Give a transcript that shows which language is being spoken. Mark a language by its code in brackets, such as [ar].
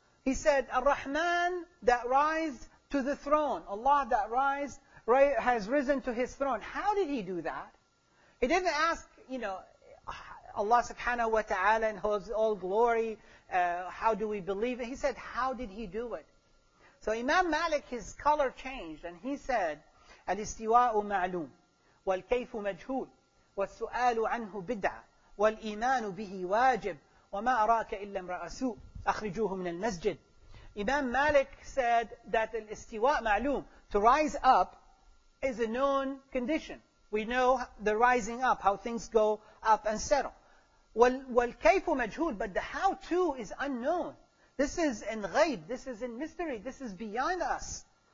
[en] He said, Ar-Rahman that rise to the throne, Allah that rise, has risen to his throne. How did he do that? He didn't ask, you know, Allah subhanahu wa ta'ala and holds all glory, how do we believe it? He said, how did he do it? So Imam Malik, his color changed and he said, [ar] Al-Istiwa'u ma'lum. والكيف مجهول والسؤال عنه بدعة والإيمان به واجب وما أراك إلا امرأ سوء أخرجوه من المسجد. [en] Imam Malik said that [ar] al-istiwa ma'lum, [en] to rise up is a known condition. We know the rising up, how things go up and settle. [ar] والكيف مجهول, [en] but the how to is unknown. This is in ghayb, this is in mystery, this is beyond us.